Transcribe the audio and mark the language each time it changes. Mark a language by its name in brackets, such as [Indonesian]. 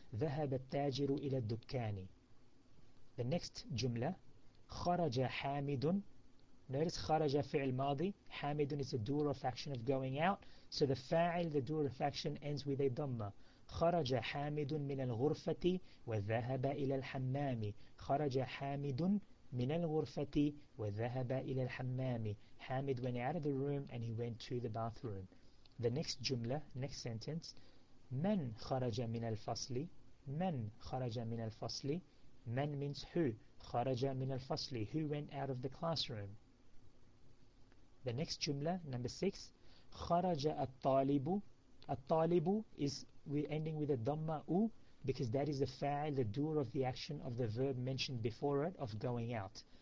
[Arabic] ذهب التاجر إلى الدكان. [English] The next جملة, [Arabic] خرج حامد. [English] Notice [Arabic] خرج فعل ماضي. [English] حامد is the doer of action of going out. So the fa'il, the doer of action, ends with a dhamma. [Arabic] خرج حامد من الغرفة وذهب إلى الحمام. خرج حامد من الغرفة وذهب إلى الحمام. [English] حامد went out of the room and he went to the bathroom. The next jumla, next sentence, [Arabic] من خرج من الفصل? من خرج من الفصل? [English] Man means who. [Arabic] Kharaja min al-fasli. [English] Who went out of the classroom? The next jumla, number 6. [Arabic] Kharaja al-talibu. [English] Al-talibu is ending with a dhamma u, because that is the fa'il, the doer of the action of the verb mentioned before it, of going out.